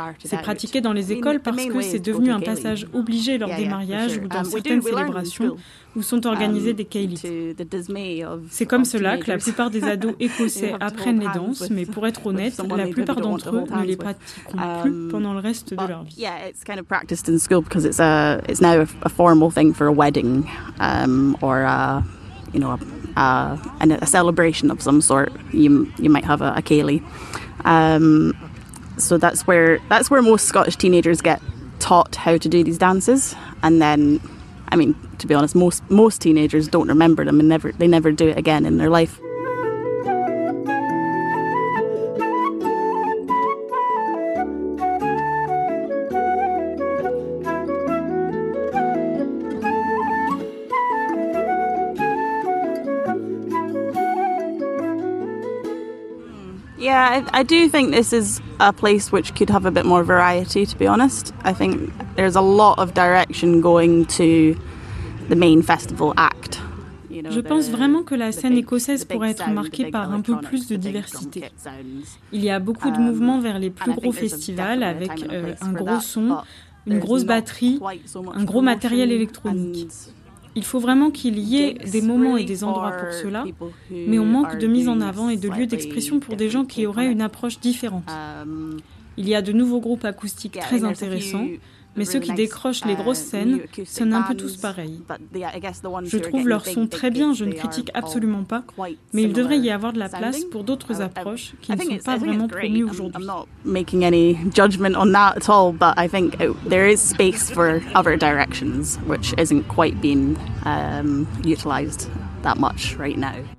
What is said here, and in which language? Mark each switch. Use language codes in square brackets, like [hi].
[fr] C'est pratiqué dans les écoles parce que c'est devenu un passage obligé lors des mariages ou dans certaines célébrations où sont organisées des cahiers. C'est comme cela que la plupart des ados écossais apprennent les danses, mais pour être honnête, la plupart d'entre eux ne les pratiqueront plus pendant le reste de leur vie. [en] Because it's now a formal thing for a wedding, or a, you know, a celebration of some sort. You might have a ceilidh, so that's where most Scottish teenagers get taught how to do these dances, and then, I mean, to be honest, most teenagers don't remember them and never do it again in their life. Yeah, I do think this is a place which could have a bit more variety, to be honest. I think there's a lot of direction going to the main festival act. [fr] Je pense vraiment que la scène écossaise pourrait être marquée par un peu plus de diversité. Il y a beaucoup de mouvements vers les plus gros festivals avec un gros son, une grosse batterie, un gros matériel électronique. Il faut vraiment qu'il y ait des moments et des endroits pour cela, mais on manque de mise en avant et de lieux d'expression pour des gens qui auraient une approche différente. Il y a de nouveaux groupes acoustiques très intéressants, mais ceux qui décrochent les grosses scènes sonnent un peu tous pareils. Je trouve leur son très bien, je ne critique absolument pas, mais il devrait y avoir de la place pour d'autres approches qui ne sont pas vraiment promues aujourd'hui. [en] I'm not making any judgment on that at all, but I think there is space for other directions which isn't quite being utilized that much right now.